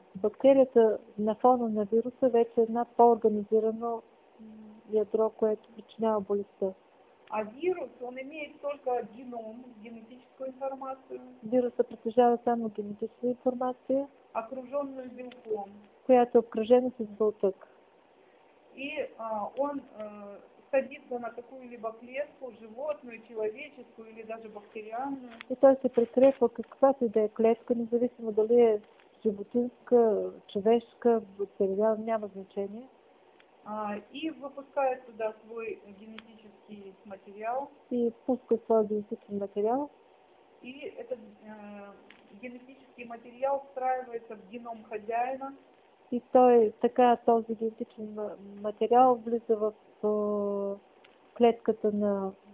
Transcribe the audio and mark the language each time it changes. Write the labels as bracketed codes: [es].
[bg] Бактерията на фона на вируса вече е една по-организирано ядро, което причинява болестта. [ru] А вирус, он имеет только геном, генетическую информацию. [bg] Вируса притежава само генетическа информация. [ru] Окруженную белком. [bg] Която е обкръжена с белтък. [ru] И он садится на какую-либо клетку, животную, человеческую или даже бактериальную. [bg] И той се прикрепва каквато и да е клетка, независимо дали е животинска, човешка, бактериална, няма значение. [ru] И выпускает туда свой генетический материал. И пускает свой генетический материал. И этот генетический материал встраивается в геном хозяина. [bg] И той, така, този генетичен материал влиза в клетката на